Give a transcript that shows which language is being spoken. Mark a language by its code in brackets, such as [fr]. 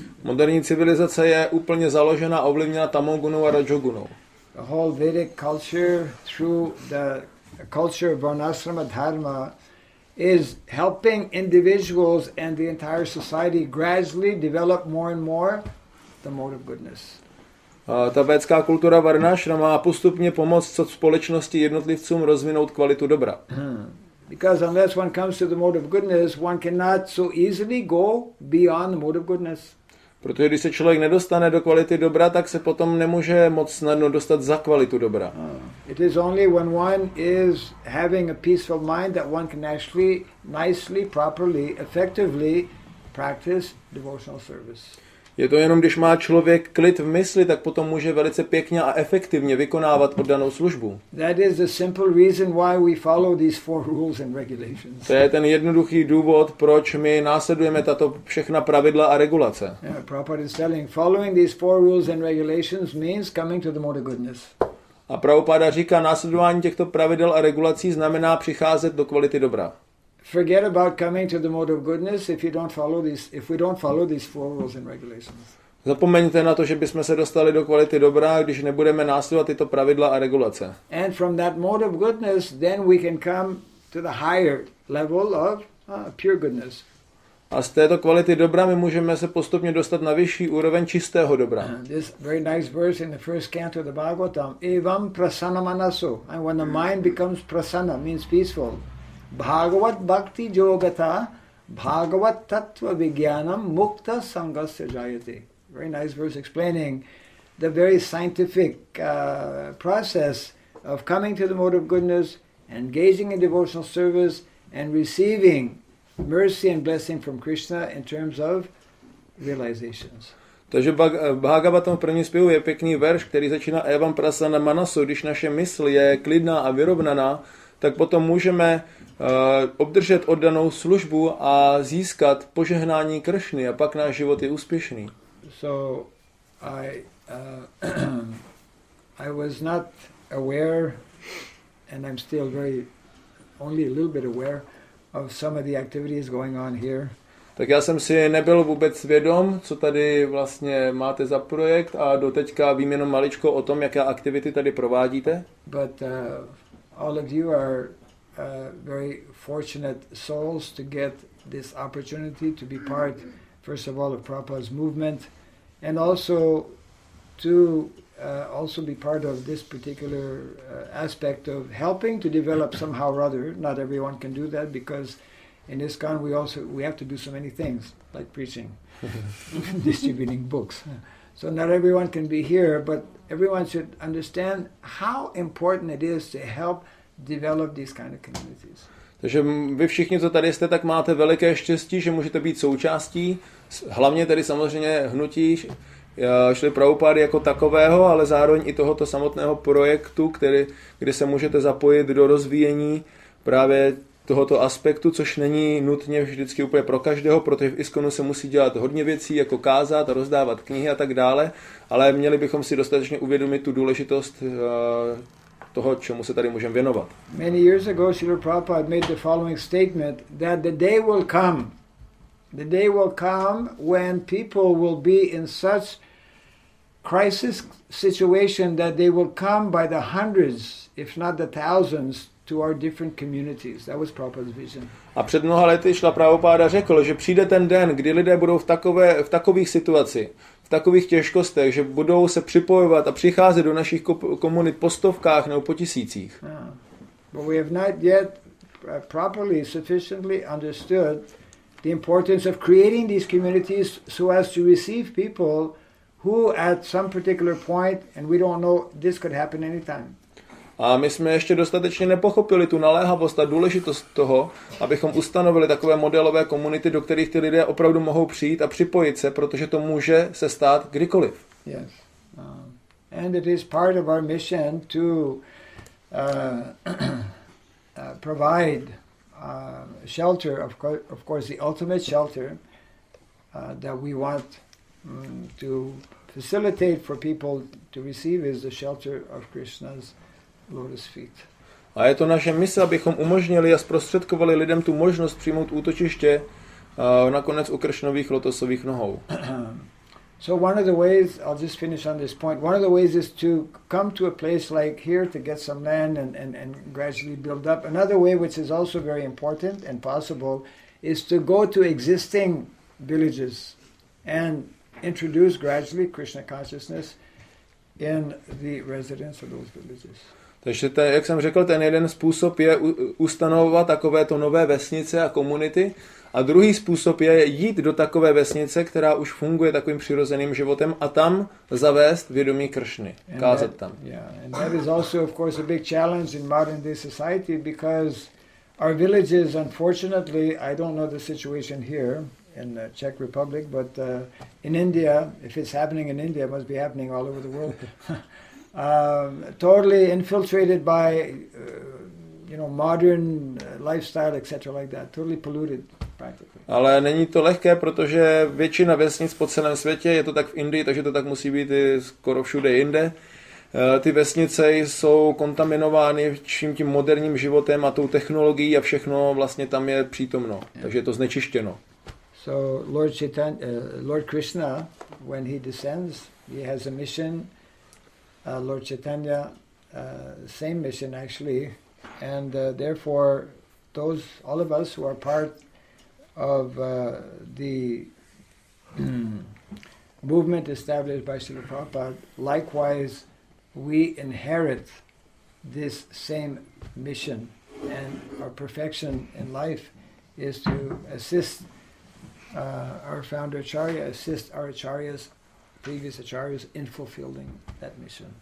[cs] Moderní civilizace je úplně založena a ovlivněna tamogunou a rajogunou. [en] The whole Vedic culture through the culture of varnasrama dharma is helping individuals and the entire society gradually develop more and more the mode of goodness. [cs] Ta védská kultura varnáša má postupně pomoct co společnosti jednotlivcům rozvinout kvalitu dobra. [en] Because unless one comes to the mode of goodness, one cannot so easily go beyond the mode of goodness. [cs] Protože když se člověk nedostane do kvality dobra, tak se potom nemůže moc snadno dostat za kvalitu dobra. [en] It is only when one is having a peaceful mind that one can actually nicely, properly, effectively practice devotional service. [cs] Je to jenom, když má člověk klid v mysli, tak potom může velice pěkně a efektivně vykonávat oddanou službu. [en] That is the simple reason why we follow these four rules and regulations. [cs] To je ten jednoduchý důvod, proč my následujeme tato všechna pravidla a regulace. [en] Yeah, Prabhupada is telling, following these four rules and regulations means coming to the mode of goodness. [cs] A Prabhupada říká, následování těchto pravidel a regulací znamená přicházet do kvality dobra. [en] Forget about coming to the mode of goodness if you don't follow these, if we don't follow these four rules and regulations. [cs] Zapomeňte na to, že bychom se dostali do kvality dobra, když nebudeme následovat tyto pravidla a regulace. [en] And from that mode of goodness, then we can come to the higher level of pure goodness. [cs] A z této kvality dobra my můžeme se postupně dostat na vyšší úroveň čistého dobra. [en] This very nice verse in the first canto of the Bhagavatam, [sa] evam prasanna manaso, [en] and when the mind becomes prasanna, means peaceful. [sa] Bhagavat bhakti yogata, bhagavat tattva vigyanam mukta sangasya jayate. [en] Very nice verse explaining the very scientific process of coming to the mode of goodness, engaging in devotional service, and receiving mercy and blessing from Krishna in terms of realizations. [cs] Takže Bhagavatam v prvním zpěvu je pěkný verš, který začíná [sa] evam prasanna manaso, [cs] když naše mysl je klidná a vyrovnaná, tak potom můžeme obdržet oddanou službu a získat požehnání Kršny a pak náš život je úspěšný. [en] So I I was not aware, and I'm still very only a little bit aware of some of the activities going on here. [cs] Tak já jsem si nebyl vůbec vědom, co tady vlastně máte za projekt, a doteďka vím jenom maličko o tom, jaké aktivity tady provádíte. [en] But all of you are very fortunate souls to get this opportunity to be part, first of all, of Prabhupada's movement, and also to also be part of this particular aspect of helping to develop somehow or other. Not everyone can do that, because in ISKCON we have to do so many things, like preaching, distributing books. So not everyone can be here, but everyone should understand how important it is to help develop these kind of communities. [cs] Takže vy všichni, co tady jste, tak máte veliké štěstí, že můžete být součástí, hlavně tady samozřejmě hnutí Šli Prabhupády jako takového, ale zároveň i tohoto samotného projektu, kde se můžete zapojit do rozvíjení právě tohoto aspektu, což není nutně vždycky úplně pro každého, protože v ISKCONu se musí dělat hodně věcí, jako kázat, rozdávat knihy a tak dále, ale měli bychom si dostatečně uvědomit tu důležitost toho, čemu se tady můžeme věnovat. [en] Many years ago Srila Prabhupada made the following statement, that the day will come. The day will come when people will be in such crisis situation that they will come by the hundreds, if not the thousands, to our different communities. That was Prabhupada's vision. [cs] A před mnoha lety šla Prabhupada řekl, že přijde ten den, kdy lidé budou v takových situaci, v takových těžkostech, že budou se připojovat a přicházet do našich komunit po stovkách nebo po tisících. [en] But we have not yet properly, sufficiently understood the importance of creating these communities so as to receive people who at some particular point, and we don't know, this could happen anytime. [cs] A my jsme ještě dostatečně nepochopili tu naléhavost a důležitost toho, abychom ustanovili takové modelové komunity, do kterých ty lidé opravdu mohou přijít a připojit se, protože to může se stát kdykoliv. [en] Yes. And it is part of our mission to provide shelter, of course, the ultimate shelter that we want to facilitate for people to receive is the shelter of Krishna's lotus feet. [cs] A je to naše mise, abychom umožnili a zprostředkovali lidem tu možnost přijmout útočiště nakonec u Krishnových lotosových nohou. [en] So one of the ways, I'll just finish on this point, one of the ways is to come to a place like here to get some land and gradually build up. Another way, which is also very important and possible, is to go to existing villages and introduce gradually Krishna consciousness in the residents of those villages. [cs] Takže to, jak jsem řekl, ten jeden způsob je ustanovovat takovéto nové vesnice a komunity. A druhý způsob je jít do takové vesnice, která už funguje takovým přirozeným životem, a tam zavést vědomí Kršny, kázat tam. [en] Yeah, and that is also of course a big challenge in modern day society, because our villages, unfortunately, I don't know the situation here in the Czech Republic, but in India, if it's happening in India, it must be happening all over the world. totally infiltrated by modern lifestyle, etc., like that, totally polluted. [cs] Ale není to lehké, protože většina vesnic po celém světě, je to tak v Indii, takže to tak musí být i skoro všude jinde, ty vesnice jsou kontaminovány čím tím moderním životem a tou technologií a všechno vlastně tam je přítomno, takže je to znečištěno. [en] So Lord Krishna, when he descends, he has a mission, Lord Chaitanya, same mission actually, and therefore those, all of us who are part of the movement established by Srila Prabhupada, likewise we inherit this same mission, and our perfection in life is to assist our founder Acharya, assist our Acharyas, previous Acharyas, in fulfilling that mission.